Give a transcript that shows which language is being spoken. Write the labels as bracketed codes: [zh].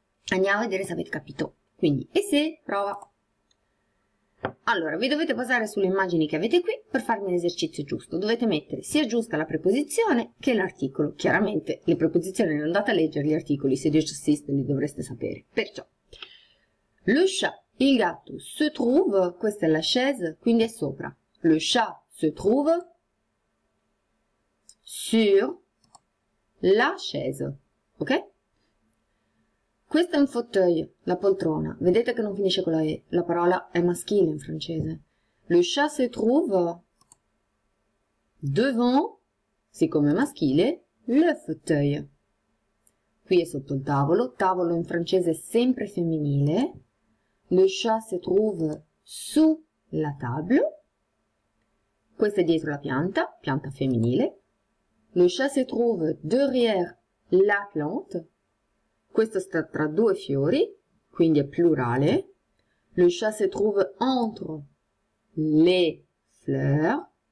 [it] Andiamo a vedere se avete capito. Quindi, e se? Prova! Allora, vi dovete basare sulle immagini che avete qui per farmi l'esercizio giusto. Dovete mettere sia giusta la preposizione che l'articolo. Chiaramente, le preposizioni non andate a leggere gli articoli, se Dio ci assiste li dovreste sapere. Perciò, le chat, il gatto, se trouve, questa è la chaise, quindi è sopra. [fr] Le chat se trouve sur la chaise, ok? [it] Questo è un fauteuil, la poltrona. Vedete che non finisce con la E. La parola è maschile in francese. [fr] Le chat se trouve devant, [it] siccome è maschile, le fauteuil. Qui è sotto il tavolo. Tavolo in francese è sempre femminile. [fr] Le chat se trouve sous la table. [it] Questa è dietro la pianta, pianta femminile. [fr] Le chat se trouve derrière la plante. [it] Questo sta tra due fiori, quindi è plurale. [fr] Le chat se trouve entre les fleurs.